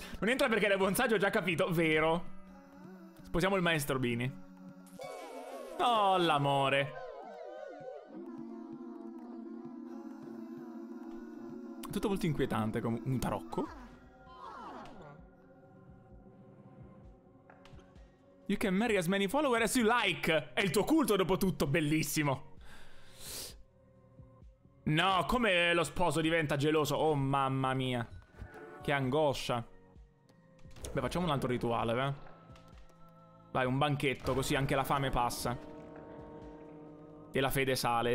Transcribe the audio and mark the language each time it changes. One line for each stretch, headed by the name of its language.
Italian: Non entra perché l'hai buon saggio, ho già capito, vero. Sposiamo il maestro Bini. Oh, l'amore. Tutto molto inquietante, come un tarocco.
English: You can marry as many followers as you like.
Italian: È il tuo culto, dopo tutto, bellissimo. No, come lo sposo diventa geloso. Oh, mamma mia. Che angoscia. Beh, facciamo un altro rituale, eh. Vai, un banchetto, così anche la fame passa. E la fede sale.